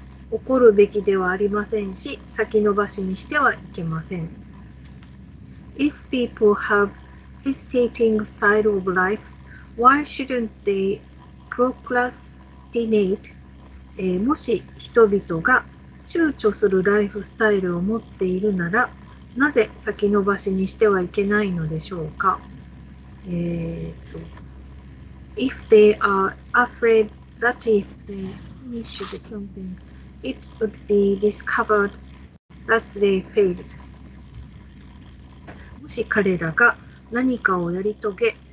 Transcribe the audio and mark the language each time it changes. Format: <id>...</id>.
<ja>怒るべきではありませんし、先延ばしにしてはいけません。</ja> <en>If people have hesitating style of life, why shouldn't they procrastinate?</en> <ja>もし人々が躊躇するライフスタイルを持っているなら、なぜ先延ばしにしてはいけないのでしょうか。</ja> <en>If they are afraid that if they finish something, it would be discovered that they failed.</en> <ja>もし彼らが何かをやり遂げ、</ja>